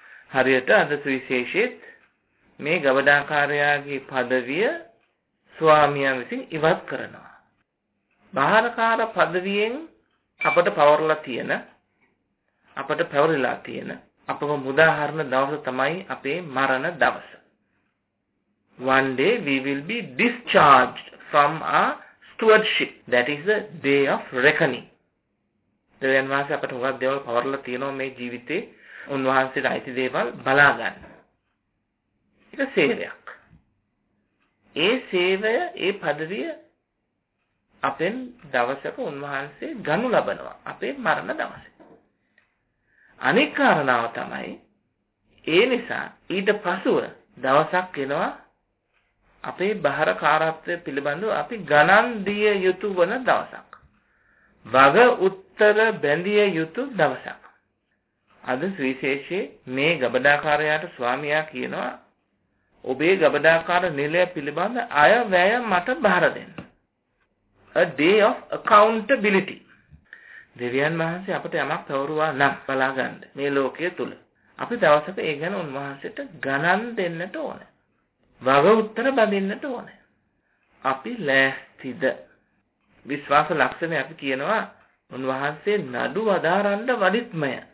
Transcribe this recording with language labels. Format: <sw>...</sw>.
<si>හරියට අද සුවිශේෂෙත් මේ ගවඩාකාරයාගේ පදවිය ස්වාමියා විසින් ඉවත් කරනවා. භාරකාර පදවියෙන් අපට පවරලා තියෙන අපට පැවරලා තියෙන අපව මුදාහරින දවස තමයි අපේ මරණ දවස.</si> <en>One day we will be discharged from our stewardship. That is the day of reckoning.</en> <si>දෙවියන් වහන්සේ අපට හොගක් දේවල් පවරලා තියෙනවා මේ ජීවිතේ. උන්වහන්සේට අයිති දේවල් බලා ගන්න. ඒක සේවයක්. ඒ සේවය, ඒ පදවිය අපෙන් දවසක උන්වහන්සේ ගනු ලබනවා අපේ මරණ දවසේ. අනික් කාරණාව තමයි ඒ නිසා ඊට පසුව දවසක් එනවා අපේ බහරකාරත්වය පිළිබඳව අපි ගණන් දිය යුතු වන දවසක්. වග උත්තර බැඳිය යුතු දවසක්. අද සුවිශේෂයේ මේ ගබඩාකාරයාට ස්වාමියා කියනවා ඔබේ ගබඩාකාර නිලය පිළිබඳ අයවැය මට බාර දෙන්න.</si> <en>A day of accountability.</en> <si>දෙවියන් වහන්සේ අපට යමක් පවරුවා නම් බලාගන්න මේ ලෝකයේ තුල. අපි දවසක ඒ ගැන උන්වහන්සේට ගණන් දෙන්නට ඕනේ. වග උත්තර බඳින්නට ඕනේ. අපි ලෑස්තිද? විශ්වාස ලක්ෂණය අපි කියනවා උන්වහන්සේ නඩු වදාරන්න වඩිත්මය.</si>